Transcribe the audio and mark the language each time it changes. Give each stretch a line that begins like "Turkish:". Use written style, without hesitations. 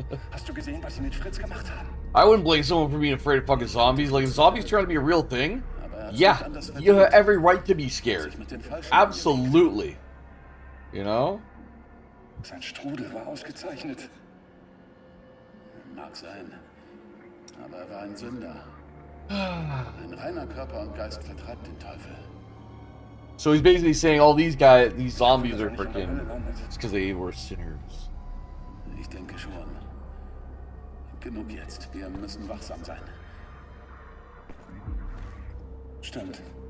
German: Hast du gesehen, was sie mit Fritz gemacht haben?
English: I wouldn't blame someone for being afraid of fucking zombies. Like, zombies trying to be a real thing? Yeah, you have every right to be scared. Absolutely. You know?
German: Sein Strudel war ausgezeichnet. Mag sein, aber er war ein Sünder. Ein reiner Körper und Geist vertreibt den Teufel.
English: So he's basically saying all these guys, these zombies are freaking, it's because they were sinners.
German: Ich denke schon. Genug jetzt, wir müssen wachsam sein. Stimmt.